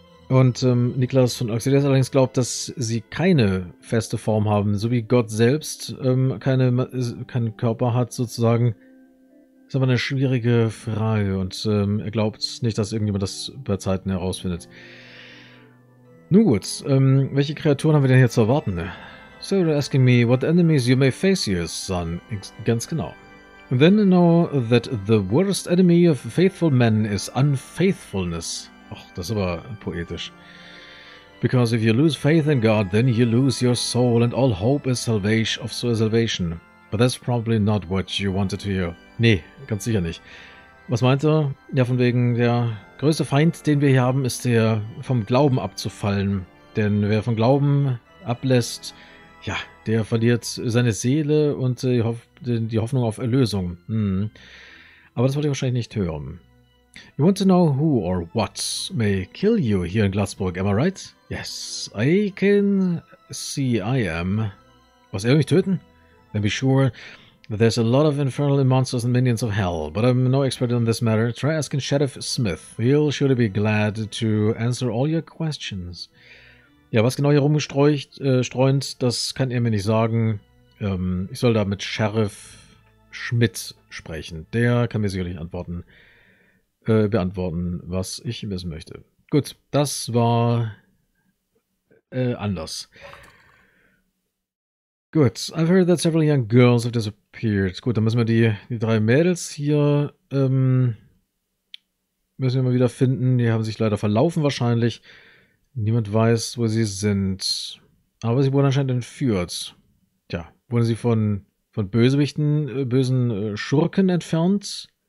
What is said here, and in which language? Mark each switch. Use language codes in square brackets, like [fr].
[de] Und Niklas von Auxilius allerdings glaubt, dass sie keine feste Form haben, so wie Gott selbst keinen Körper hat, sozusagen. Das ist aber eine schwierige Frage und er glaubt nicht, dass irgendjemand das bei Zeiten herausfindet. Nun gut, welche Kreaturen haben wir denn hier zu erwarten? [en] So you're asking me what enemies you may face here, son. [de] Ganz genau. [en] Then know that the worst enemy of faithful men is unfaithfulness. [de] Ach, das ist aber poetisch. [en] Because if you lose faith in God, then you lose your soul and all hope is salvation of salvation. But that's probably not what you wanted to hear. [de] Nee, ganz sicher nicht. Was meint er? Ja, von wegen, der größte Feind, den wir hier haben, ist der vom Glauben abzufallen. Denn wer vom Glauben ablässt, ja, der verliert seine Seele und die Hoffnung auf Erlösung. Aber das wollte ich wahrscheinlich nicht hören. [en] You want to know who or what may kill you here in Glassburg, am I right? Yes, I can see I am. [de] Was, er will mich töten? [en] Then be sure that there's a lot of infernal monsters and minions of hell, but I'm no expert on this matter. Try asking Sheriff Smith. He'll surely be glad to answer all your questions. [de] Ja, was genau hier rumgestreunt, das kann er mir nicht sagen. Ich soll da mit Sheriff Schmidt sprechen. Der kann mir sicherlich beantworten, was ich wissen möchte. Gut, das war anders. [en] Gut, I've heard that several young girls have disappeared. [de] Gut, dann müssen wir die drei Mädels hier müssen wir mal wieder finden. Die haben sich leider verlaufen wahrscheinlich. Niemand weiß, wo sie sind. Aber sie wurden anscheinend entführt. Tja, wurden sie von bösen Schurken entfernt?